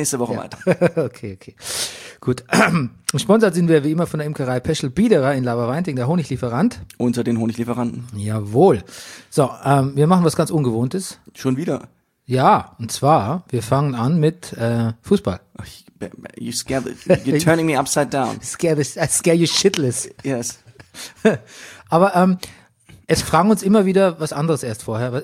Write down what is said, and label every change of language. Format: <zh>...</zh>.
<de>Nächste Woche ja. Weiter. Okay. Gut. Sponsert sind wir wie immer von der Imkerei Peschel Biederer in Laberweinting, der Honiglieferant. Unter den Honiglieferanten. Jawohl. So, wir machen was ganz Ungewohntes. Schon wieder? Ja, und zwar, wir fangen an mit Fußball.</de> <en>You're turning me upside down. I scare you shitless. Yes.</en> <de>Aber, es fragen uns immer wieder was anderes erst vorher.</de>